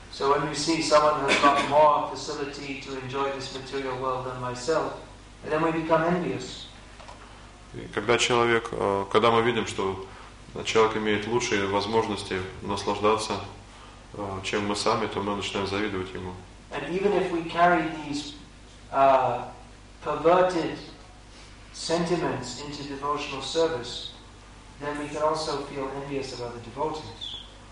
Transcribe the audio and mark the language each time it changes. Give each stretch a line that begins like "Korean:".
English: So when you see someone has got more facility to enjoy this material world than myself, then we become envious.
Russian: Когда мы видим, что человек имеет лучшие возможности наслаждаться, чем мы сами, то мы начинаем завидовать ему.
English: And even if we carry these perverted sentiments into devotional service, then we can also feel envious of other devotees.